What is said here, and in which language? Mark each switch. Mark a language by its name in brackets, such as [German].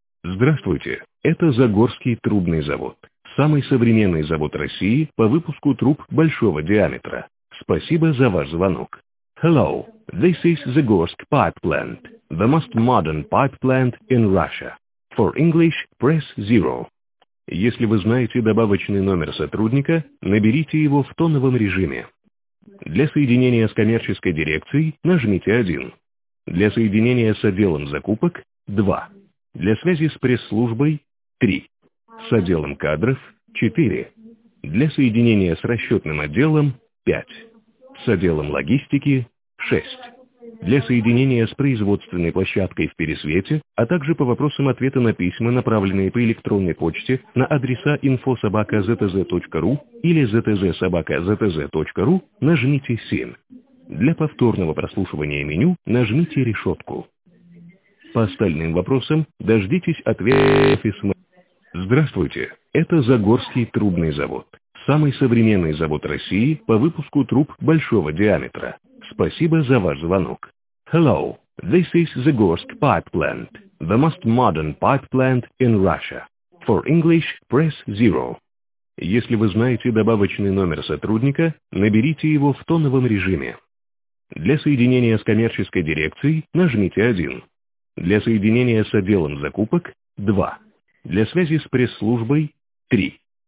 [Russian] Здравствуйте, это Загорский трубный завод, самый современный завод России по выпуску труб большого диаметра. Спасибо за ваш звонок. [English] Hello, this is Zagorsk Pipe Plant, the most modern pipe plant in Russia. For English, press 0. [Russian] Если вы знаете добавочный номер сотрудника, наберите его в тоновом режиме. Для соединения с коммерческой дирекцией нажмите 1. Для соединения с отделом закупок – 2. Для связи с пресс-службой – 3. С отделом кадров – 4. Для соединения с расчетным отделом – 5. С отделом логистики – 6. Для соединения с производственной площадкой в Пересвете, а также по вопросам ответа на письма, направленные по электронной почте на адреса info@zz.ru или zz@zz.ru, нажмите 7. Для повторного прослушивания меню нажмите решетку. По остальным вопросам дождитесь ответа. Здравствуйте, это Загорский трубный завод. Самый современный завод России по выпуску труб большого диаметра. Спасибо за ваш звонок. [English] Hello, this is Zagorsk Pipe Plant, the most modern pipe plant in Russia. For English, press 0. [Russian] Если вы знаете добавочный номер сотрудника, наберите его в тоновом режиме. Для соединения с коммерческой дирекцией нажмите 1. Для соединения с отделом закупок – 2. Для связи с пресс-службой – 3.